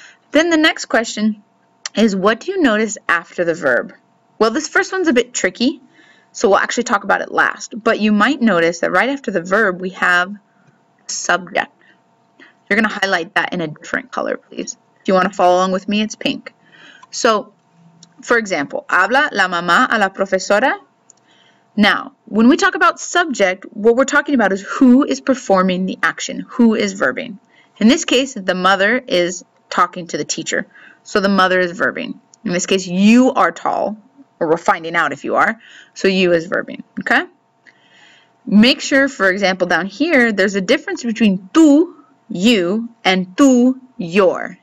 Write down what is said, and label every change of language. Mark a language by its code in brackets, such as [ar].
[en] Then the next question is, what do you notice after the verb? Well, this first one's a bit tricky. So we'll actually talk about it last, but you might notice that right after the verb, we have subject. You're going to highlight that in a different color, please. If you want to follow along with me, it's pink. So, for example, [es] habla la mamá a la profesora. [en] Now, when we talk about subject, what we're talking about is who is performing the action, who is verbing. In this case, the mother is talking to the teacher, so the mother is verbing. In this case, you are tall. Or we're finding out if you are. So you is verbing, okay? Make sure, for example, down here, there's a difference between tú, you, and tú, your.